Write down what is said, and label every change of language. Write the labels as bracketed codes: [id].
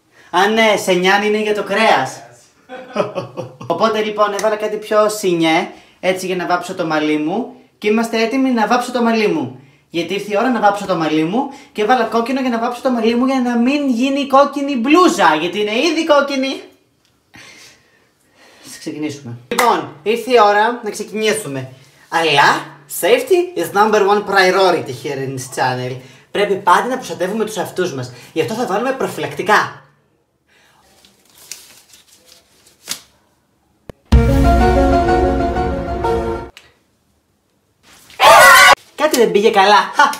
[el] Α ναι, σενιάν είναι για το κρέας. Οπότε λοιπόν έβαλα κάτι πιο σινιέ, έτσι για να βάψω το μαλλί μου. Και είμαστε έτοιμοι να βάψω το μαλλί μου. Γιατί ήρθε η ώρα να βάψω το μαλλί μου και έβαλα κόκκινο για να βάψω το μαλλί μου για να μην γίνει κόκκινη μπλούζα. Γιατί είναι ήδη κόκκινη. Ας ξεκινήσουμε. Λοιπόν, ήρθε η ώρα να ξεκινήσουμε. Αλλά... [en] Safety is number one priority here in this channel. [el] Πρέπει πάντα να προστατεύουμε τους εαυτούς μας. Γι' αυτό θα βάλουμε προφυλακτικά. Κάτι δεν πήγε καλά.